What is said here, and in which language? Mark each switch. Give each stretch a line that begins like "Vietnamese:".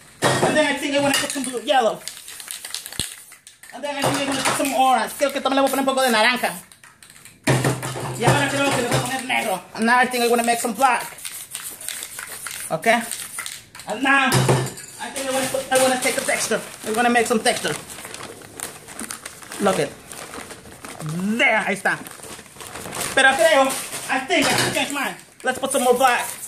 English: And then I think I want to put some blue, yellow. And then I think I want to put some orange.
Spanish: Creo que también le voy a poner un poco de naranja. Y ahora creo que le voy a poner negro.
English: And now I think I want to make some black. Okay? And now, I want to make some texture. Look it. There,
Spanish: ahí está. Pero creo,
English: I think I can change mine. Let's put some more black.